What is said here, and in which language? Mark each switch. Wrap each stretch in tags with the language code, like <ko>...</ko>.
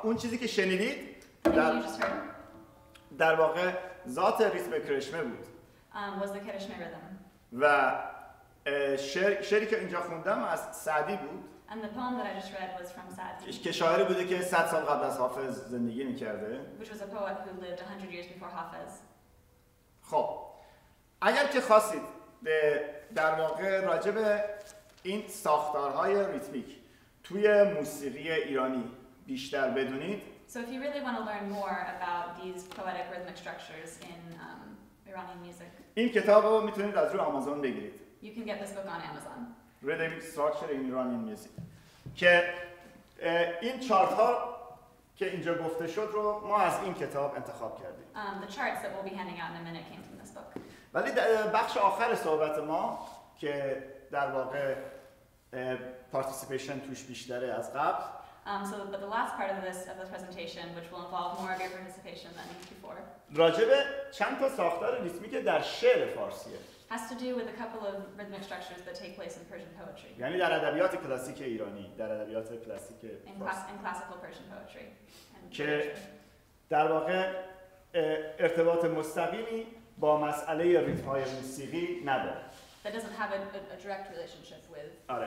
<fa>اون چیزی که شنیدید در واقع ذات ریتم کرشمه بود.</fa> <en>Was the Kirishma rhythm.</en> <fa>و شعری که اینجا خوندم از سعدی بود.</fa> <en>And the poem that I just read was from Sa'di.</en> <fa>که شاعری بوده که 100 سال قبل از حافظ زندگی می‌کرده.</fa> <en>Which was a poet who lived 100 years before Hafez.</en> <fa>خب. اگر که خواستید در واقع راجع به این ساختارهای ریتمیک توی موسیقی ایرانی بیشتر بدونید.</fa> <en>So if you really want to learn more about these poetic rhythmic structures in Iranian music.</en> <fa>این کتاب رو میتونید از روی آمازون بگیرید.</fa> <en>You can get this book on Amazon. Rhythmic structure in Iranian music.</en> <fa>که این چارت ها که اینجا گفته شد رو ما از این کتاب انتخاب کردیم.</fa> <en>The charts that we'll be handing out in a minute came from this book.</en> <fa>ولی بخش آخر صحبت ما که در واقع پارتیسیپیشن توش بیشتره از قبل.</fa> <en>But the last part of this of the presentation, which will involve more of your participation than before.</en> <fa>راجع به چند تا ساختار ریتمیک در شعر فارسیه.</fa> <en>Has to do with a couple of rhythmic structures that take place in Persian poetry.</en> <fa>یعنی در ادبیات کلاسیک ایرانی، در ادبیات کلاسیک</fa> <en>in classical Persian poetry.</en> <fa>که در واقع ارتباط مستقیمی با مسئله ریتم‌های موسیقی نداره.</fa> <en>That doesn't have a direct relationship with</en> <fa>آره.</fa>